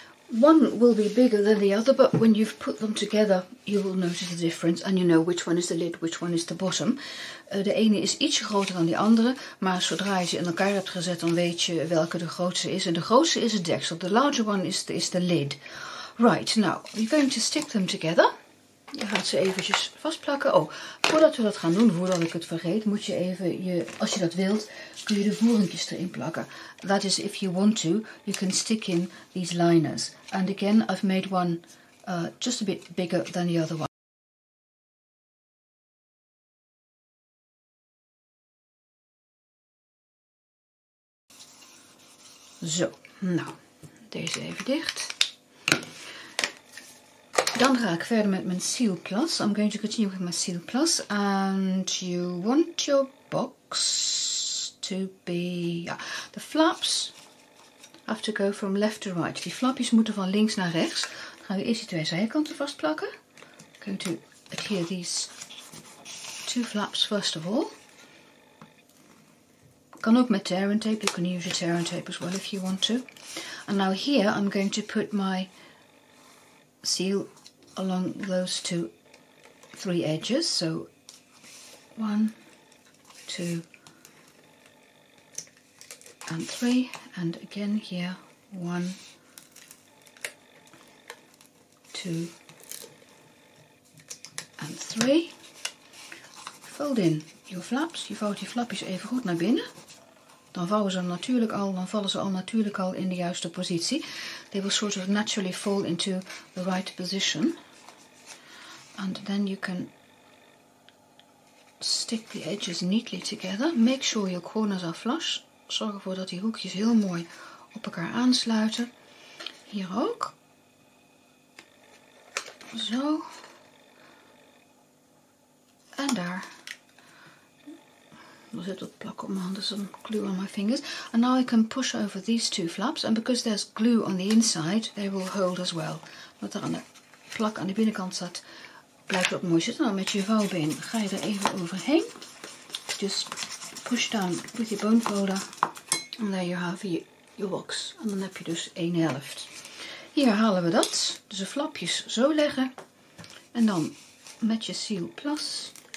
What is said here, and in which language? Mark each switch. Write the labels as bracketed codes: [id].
[en] One will be bigger than the other, but when you've put them together, you will notice the difference. And you know which one is the lid, which one is the bottom. [nl] De ene is ietsje groter dan de andere, maar zodra je ze in elkaar hebt gezet, dan weet je welke de grootste is. En de grootste is het deksel. [en] The larger one is the lid. Right, now, you're going to stick them together. [nl] Je gaat ze eventjes vastplakken. Oh, voordat we dat gaan doen, voordat ik het vergeet, moet je even, als je dat wilt, kun je de voeringjes erin plakken. [en] That is, if you want to, you can stick in these liners. And again, I've made one just a bit bigger than the other one. [nl] Zo, nou, deze even dicht. Dan ga ik verder met mijn Seal Plus. [en] I'm going to continue with my Seal Plus. And you want your box to be... Yeah. The flaps have to go from left to right. [nl] Die flapjes moeten van links naar rechts. Dan gaan we eerst die twee zijkanten vastplakken. [en] I'm going to adhere these two flaps first of all. [nl] Kan ook met tear and tape. [en] You can use your tear and tape as well if you want to. And now here I'm going to put my seal along those two, three edges. So, one, two, and three. And again here, one, two, and three. Fold in your flaps. [nl] Je vouwt je flapjes even goed naar binnen. Dan vallen ze al natuurlijk al in de juiste positie. [en] They will sort of naturally fall into the right position. And then you can stick the edges neatly together. Make sure your corners are flush. [nl] Zorg ervoor dat die hoekjes heel mooi op elkaar aansluiten. Hier ook. Zo. En daar. Er zit wat plak op mijn handen, [en] some glue on my fingers. And now I can push over these two flaps. And because there's glue on the inside, they will hold as well. [nl] Wat er aan de plak aan de binnenkant zat, blijft dat mooi zitten. Dan met je vouwbeen ga je er even overheen. [en] Just push down with your bone folder [nl] En dan heb je je box. En dan heb je dus 1 helft. Hier halen we dat. Dus de flapjes zo leggen. En dan met je Seal Plus.